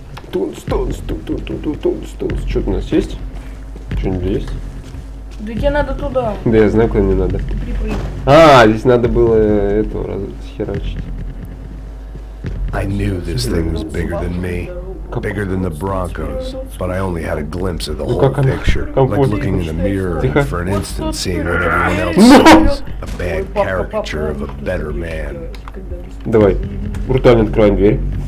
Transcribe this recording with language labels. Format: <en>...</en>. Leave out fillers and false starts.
<ru>Тунс, тунс, тунс, тунс, тунс, тунс. Что-то у нас есть? Что-нибудь есть? Да тебе надо туда. Да я знаю, куда мне надо. Припрыгнуть. А, здесь надо было этого схерачить.</ru> <en>I knew this thing was bigger than me. Bigger than the Broncos, but I only had a glimpse of the whole picture. Like looking in a mirror and for an instant seeing what everyone else sees. A bad caricature of a better man.</en> <ru>Давай, брутально открываем дверь.</ru>